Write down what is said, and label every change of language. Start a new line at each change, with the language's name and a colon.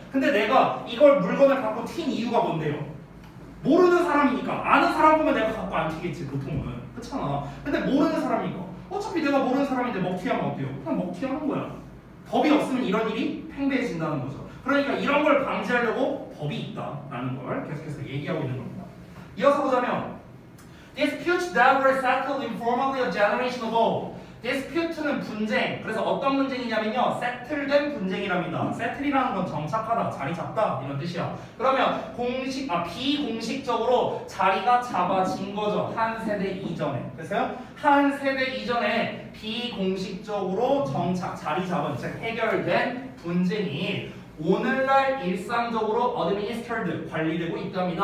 Korean: 근데 내가 이걸 물건을 갖고 튄 이유가 뭔데요? 모르는 사람이니까. 아는 사람 보면 내가 갖고 안 튀겠지, 보통은. 그렇잖아. 근데 모르는 사람이니까. 어차피 내가 모르는 사람인데 먹튀하면 어때요? 그냥 먹튀하는 거야. 법이 없으면 이런 일이 팽배해진다는 거죠. 그러니까 이런 걸 방지하려고 법이 있다라는 걸 계속해서 얘기하고 있는 겁니다.
English: 이어서 보자면 Dispute that were settled informally a generation ago.
Korean: Dispute는 분쟁. 그래서 어떤 분쟁이냐면요. Settled된 분쟁이랍니다. Settle이라는 건 정착하다, 자리 잡다 이런 뜻이야. 그러면 비공식적으로 자리가 잡아진 거죠. 한 세대 이전에. 됐어요? 한 세대 이전에 비공식적으로 정착, 자리 잡은, 즉 해결된 분쟁이 오늘날 일상적으로 administered, 관리되고 있답니다.